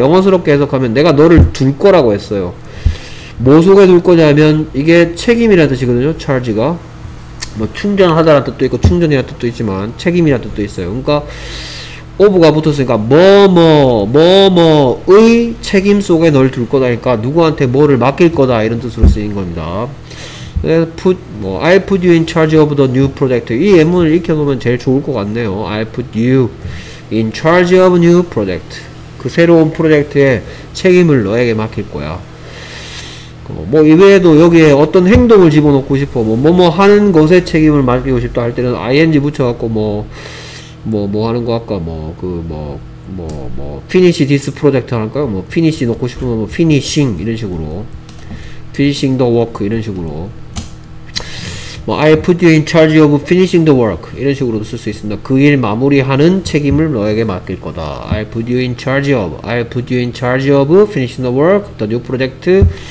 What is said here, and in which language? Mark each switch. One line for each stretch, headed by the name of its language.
Korean: 영어스럽게 해석하면 내가 너를 둘 거라고 했어요. 뭐 속에 둘 거냐면 이게 책임이라는 뜻이거든요. charge가. 뭐 충전하다라는 뜻도 있고 충전이라는 뜻도 있지만 책임이라는 뜻도 있어요. 그러니까 of가 붙었으니까 뭐뭐의 책임 속에 널 둘 거다니까 누구한테 뭐를 맡길 거다 이런 뜻으로 쓰인 겁니다.
English: put, 뭐, I put you in charge of the new project.
Korean: 이 예문을 익혀놓으면 제일 좋을 것 같네요.
English: I put you in charge of new project.
Korean: 그 새로운 프로젝트에 책임을 너에게 맡길 거야. 뭐 이외에도 여기에 어떤 행동을 집어넣고 싶어, 뭐뭐뭐 하는 것에 책임을 맡기고 싶다 할 때는 ing 붙여갖고 뭐뭐뭐 하는 거 할까, 뭐
English: finish this project
Korean: 할까요? 뭐 finish 넣고 싶으면 뭐 finishing 이런 식으로,
English: finishing the work
Korean: 이런 식으로, 뭐
English: I put you in charge of finishing the work
Korean: 이런 식으로도 쓸 수 있습니다. 그 일 마무리하는 책임을 너에게 맡길 거다.
English: I put you in charge of, I put you in charge of finishing the work, the new project.